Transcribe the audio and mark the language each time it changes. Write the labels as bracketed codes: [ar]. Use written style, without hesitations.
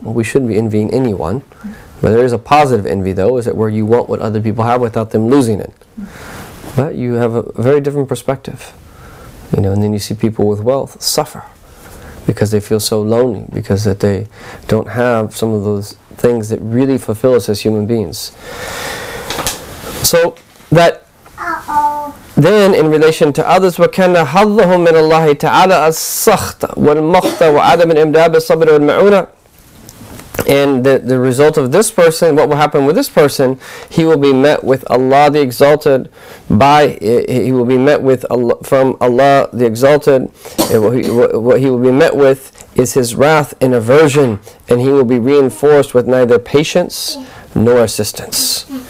[en] Well, we shouldn't be envying anyone. But there is a positive envy, though, is that where you want what other people have without them losing it. But you have a very different perspective. You know, and then you see people with wealth suffer because they feel so lonely, because that they don't have some of those things that really fulfill us as human beings. So that then in relation to others, [ar] وَكَانَ حَظَّهُمْ مِنَ اللَّهِ تَعَالَى السَّخْطَ وَالْمَخْطَ وَعَدَمِ الْإِمْدَابِ الصَّبْرِ وَالْمَعُونَةِ. [en] And the result of this person, what will happen with this person, he will be met with Allah the Exalted by, he will be met with Allah, from Allah the Exalted, and what he will be met with is his wrath and aversion, and he will be reinforced with neither patience nor assistance.